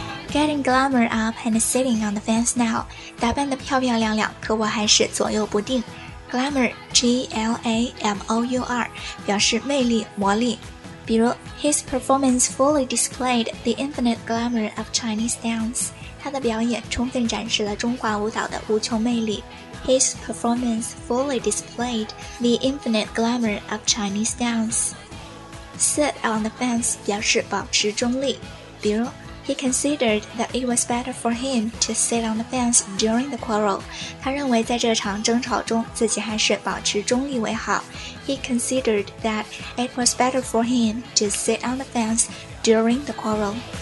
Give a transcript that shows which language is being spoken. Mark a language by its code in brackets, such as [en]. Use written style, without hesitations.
[en] Getting glamour up and sitting on the fence now. [zh] 打扮得漂漂亮亮，可我还是左右不定。 Glamour, G-L-A-M-O-U-R, 表示魅力、魔力。比如 [en] His performance fully displayed the infinite glamour of Chinese dance. [zh] 他的表演充分展示了中华舞蹈的无穷魅力。 [en] His performance fully displayed the infinite glamour of Chinese dance. Sit on the fence [zh] 表示保持中立。比如 [en] He considered that it was better for him to sit on the fence during the quarrel. [zh] 他认为在这场争吵中自己还是保持中立为好。 [en] He considered that it was better for him to sit on the fence during the quarrel.